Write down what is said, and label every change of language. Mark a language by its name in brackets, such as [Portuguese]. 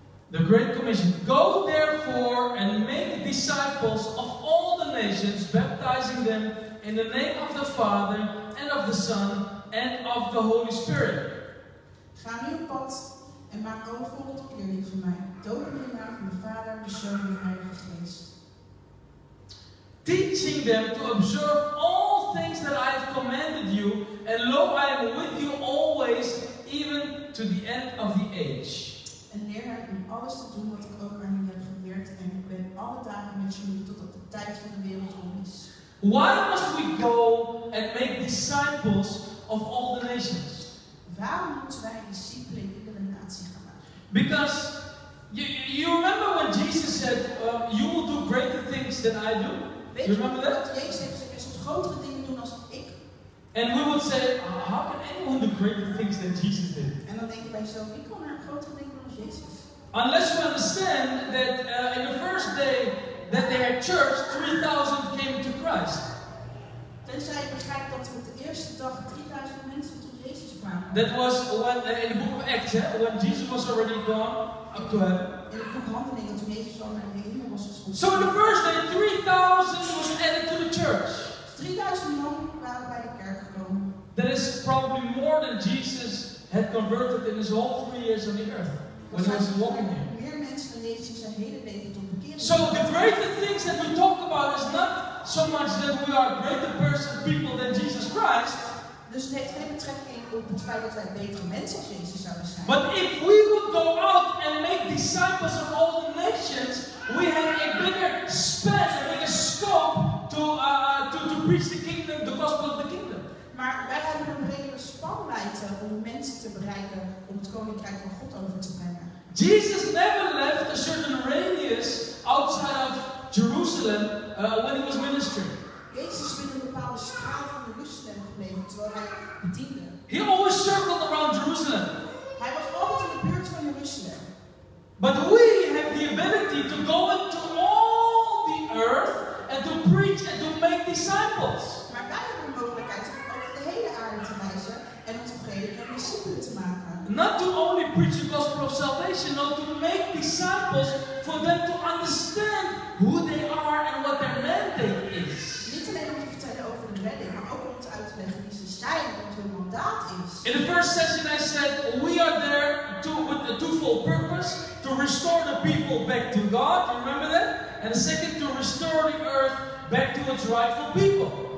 [English] The Great Commission. Go therefore and make disciples of all the nations, baptizing them in the name of the Father and of the Son and of the Holy Spirit. [Dutch] Ga nu op pad en maak overal tot leerling van mij, doop in de naam van de Vader, de Zoon en de Heilige Geest. [English] Teaching them to observe all things that I have commanded you, and lo, I am with you always, even to the end of the age. [Dutch] En leer hem om alles te doen wat ik ook aan jullie heb geleerd. En ik ben alle dagen met jullie tot op de tijd van de wereld om is. [English] Why must we go and make disciples of all the nations? [Dutch] Waarom moeten wij discipelen in iedere natie gaan maken? [English] Because you remember when Jesus said, you will do greater things than I do? [Dutch] Weet [English] you remember that? [Dutch] Jezus zegt, je zult grotere dingen doen als ik. [English] And we would say, how can anyone do greater things than Jesus did? [Dutch] En dan denk je bij jezelf, ik kan naar grotere dingen. [English] Unless you understand that in the first day that they had church, 3,000 came to Christ. [Dutch] Tenzij je begrijpt dat op de eerste dag 3,000 mensen tot Jezus kwamen. [English] That was when in the book of Acts, when Jesus was already gone up to heaven. [Dutch] In het boek Handelingen toen Jezus al naar de hemel was gestegen. [English] So in the first day 3,000 was added to the church. [Dutch] 3,000 3000 mensen waren bij de kerk gekomen. [English] That is probably more than Jesus had converted in his whole 3 years on the earth when he was walking here. [Dutch] Meer mensen dan Jezus zijn hele leven tot bekering. [English] So the greater things that we talk about is not so much that we are greater person people than Jesus Christ. [Dutch] Dus het heeft geen betrekking op het feit dat wij betere mensen als Jezus zouden zijn. [English] But if we would go out and make disciples of all the nations, we have a bigger span, a bigger scope to preach the kingdom, the gospel of the kingdom. [Dutch] Maar wij hebben een bredere spanwijdte om mensen te bereiken om het koninkrijk van God over te brengen. [English] Jesus never left a certain radius outside of Jerusalem when he was ministering. [Dutch] Jezus binnen een bepaalde straal van Jerusalem gebleven terwijl hij bediende. [English] He always circled around Jerusalem. [Dutch] Hij was altijd in de buurt van Jerusalem. [English] But we have the ability to go into all the earth and to preach and to make disciples. [Dutch] Maar wij hebben de mogelijkheid om over de hele aarde te reizen en te prediken en discipelen te maken. [English] Not to only preach the gospel of salvation, not to make disciples for them to understand who they are and what their mandate is. [Dutch] Niet alleen om te vertellen over de redding, maar ook om te uitleggen wie ze zijn en wat hun mandaat is. [English] In the first session I said, we are there to, with a twofold purpose. To restore the people back to God, remember that? And second, to restore the earth back to its rightful people.